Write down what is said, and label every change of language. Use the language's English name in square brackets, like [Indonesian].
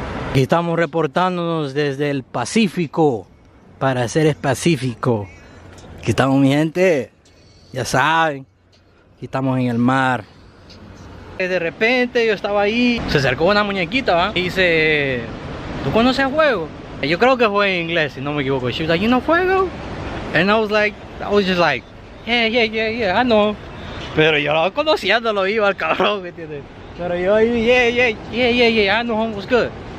[Spanish] Aquí estamos reportándonos desde el Pacífico, para ser específico. Aquí estamos, mi gente, ya saben, aquí estamos en el mar. De repente yo estaba ahí, se acercó una muñequita, ¿va? Y dice, ¿tú conoces a Fuego? Yo creo que fue en inglés, si no me equivoco. [English] She was like, you know Fuego? And I was just like, yeah, I know. [Spanish] Pero yo lo conocía, no lo iba al cabrón, ¿me entiendes? Pero yo ahí, [English] yeah, I know, home was good.